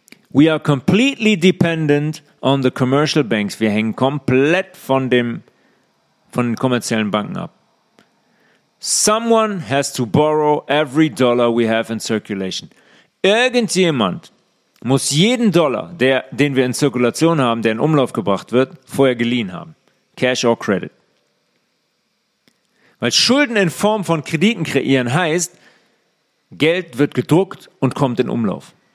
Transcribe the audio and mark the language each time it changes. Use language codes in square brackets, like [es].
[en] We are completely dependent on the commercial banks. [de] Wir hängen komplett von den kommerziellen Banken ab. [en] Someone has to borrow every dollar we have in circulation. [de] Irgendjemand muss jeden Dollar, den wir in Zirkulation haben, der in Umlauf gebracht wird, vorher geliehen haben. [en] Cash or credit. [de] Weil Schulden in Form von Krediten kreieren heißt, Geld wird gedruckt und kommt in Umlauf.